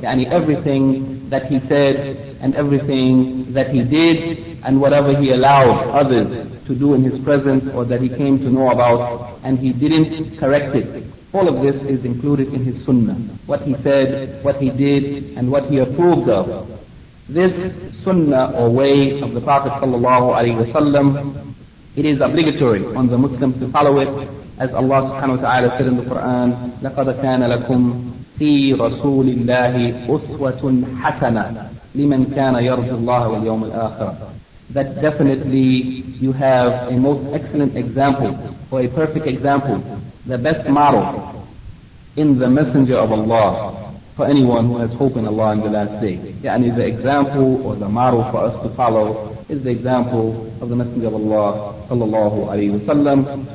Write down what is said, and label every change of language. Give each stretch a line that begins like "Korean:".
English: Yani everything that he said and everything that he did and whatever he allowed others to do in his presence or that he came to know about and he didn't correct it. All of this is included in his Sunnah. What he said, what he did, and what he approved of. This Sunnah or way of the Prophet sallallahu alayhi wa sallam, it is obligatory on the Muslims to follow it. As Allah subhanahu wa ta'ala said in the Quran,
Arabic: لَقَدَ كَانَ لَكُمْ فِي رَسُولِ اللَّهِ أُسْوَةٌ حَسَنَةٌ لِمَنْ كَانَ يَرْجُ اللَّهَ وَالْيَوْمِ الْآخِرَةِ.
English: That definitely you have a most excellent example, or a perfect example, the best model in the Messenger of Allah for anyone who has hope in Allah in the last day. Yani the example or the model for us to follow is the example of the Messenger of Allah sallallahu alayhi wa sallam.